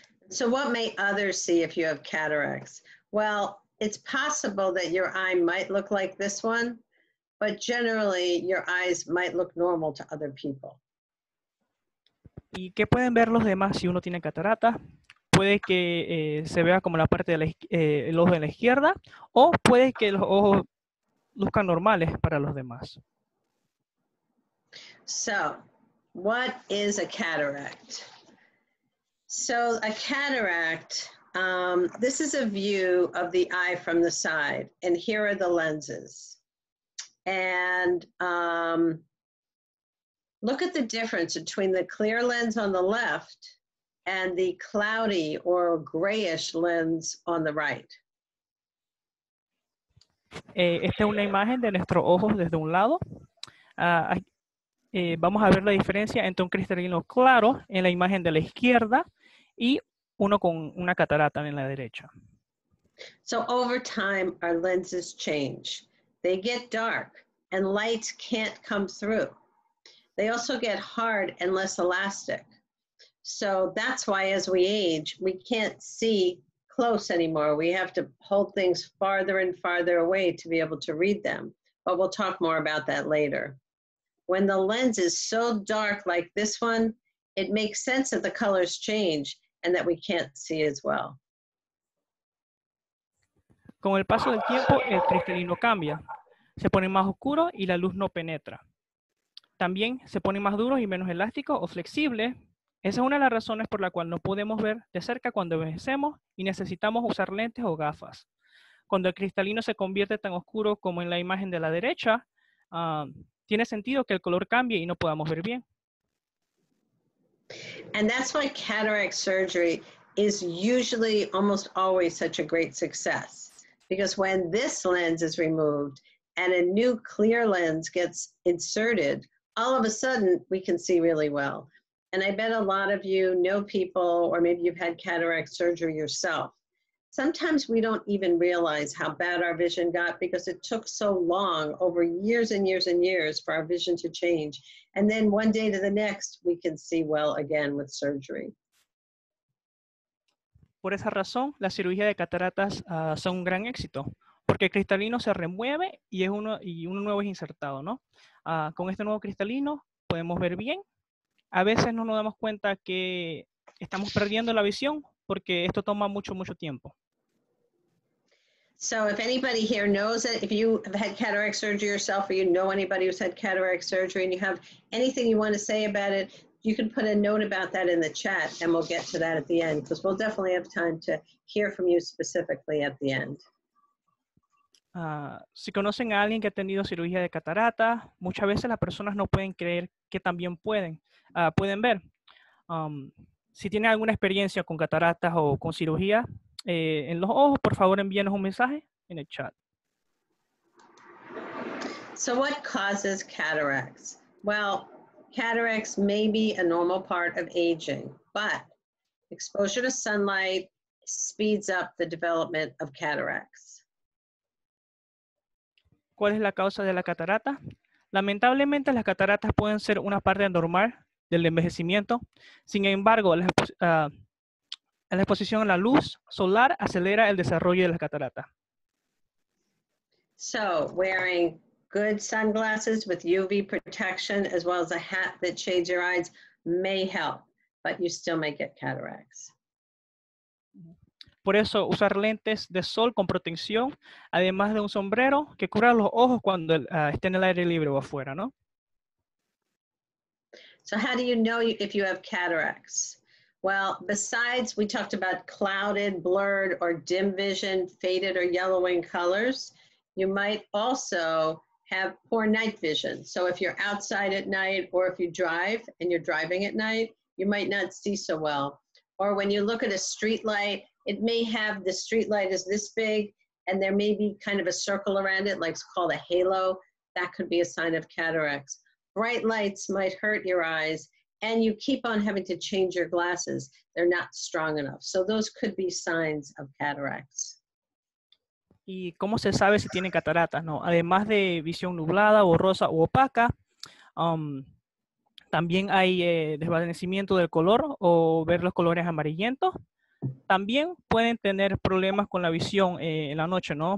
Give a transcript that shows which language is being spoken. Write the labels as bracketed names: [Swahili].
[English] So what may others see if you have cataracts? Well, it's possible that your eye might look like this one. But generally, your eyes might look normal to other people. [Spanish] ¿Y qué pueden ver los demás si uno tiene cataratas? Puede que se vea como la parte del el ojo de la izquierda, o puede que los ojos luzcan normales para los demás. [English] So, what is a cataract? So, a cataract, this is a view of the eye from the side, and here are the lenses. And look at the difference between the clear lens on the left and the cloudy or grayish lens on the right. [Spanish] Esta es una imagen de nuestros ojos desde un lado. Vamos a ver la diferencia entre un cristalino claro en la imagen de la izquierda y uno con una catarata en la derecha. [English] So over time, our lenses change. They get dark and light can't come through. They also get hard and less elastic. So that's why as we age, we can't see close anymore. We have to hold things farther and farther away to be able to read them. But we'll talk more about that later. When the lens is so dark like this one, it makes sense that the colors change and that we can't see as well. [Spanish] Con el paso del tiempo, el cristalino cambia. Se pone más oscuro y la luz no penetra. También se pone más duro y menos elástico o flexible. Esa es una de las razones por la cual no podemos ver de cerca cuando envejecemos y necesitamos usar lentes o gafas. Cuando el cristalino se convierte tan oscuro como en la imagen de la derecha, tiene sentido que el color cambie y no podamos ver bien. [English] And that's why cataract surgery is usually almost always such a great success. Because when this lens is removed and a new clear lens gets inserted, all of a sudden we can see really well. And I bet a lot of you know people, or maybe you've had cataract surgery yourself. Sometimes we don't even realize how bad our vision got because it took so long, over years and years and years, for our vision to change. And then one day to the next, we can see well again with surgery. [Spanish] Por esa razón, la cirugía de cataratas son un gran éxito, porque el cristalino se remueve y es uno y uno nuevo es insertado, ¿no? Con este nuevo cristalino podemos ver bien. A veces no nos damos cuenta que estamos perdiendo la visión porque esto toma mucho mucho tiempo. [English] So if anybody here knows it, if you have had cataract surgery yourself or you know anybody who's had cataract surgery and you have anything you want to say about it, you can put a note about that in the chat and we'll get to that at the end because we'll definitely have time to hear from you specifically at the end. [Spanish] Si conocen a alguien que ha tenido cirugía de catarata, muchas veces las personas no pueden creer que también pueden ver. Si tienen alguna experiencia con cataratas o con cirugía en los ojos, por favor envíenos un mensaje en el chat. [English] So what causes cataracts? Well, cataracts may be a normal part of aging, but exposure to sunlight speeds up the development of cataracts. [Spanish] ¿Cuál es la causa de la catarata? Lamentablemente, las cataratas pueden ser una parte normal del envejecimiento. Sin embargo, la exposición a la luz solar acelera el desarrollo de las cataratas. [English] So, wearing good sunglasses with UV protection, as well as a hat that shades your eyes, may help, but you still may get cataracts. [Spanish] Por eso, usar lentes de sol con protección, además de un sombrero que cubra los ojos cuando esté en el aire libre o afuera, ¿no? [English] So how do you know if you have cataracts? Well, besides, we talked about clouded, blurred, or dim vision, faded or yellowing colors, you might also have poor night vision. So if you're outside at night, or if you drive and you're driving at night, you might not see so well. Or when you look at a street light, it may have the street light is this big, and there may be kind of a circle around it, like it's called a halo. That could be a sign of cataracts. Bright lights might hurt your eyes, and you keep on having to change your glasses. They're not strong enough. So those could be signs of cataracts. [Spanish] ¿Y cómo se sabe si tiene cataratas, no? Además de visión nublada, borrosa u opaca, también hay desvanecimiento del color o ver los colores amarillentos. También pueden tener problemas con la visión en la noche, ¿no?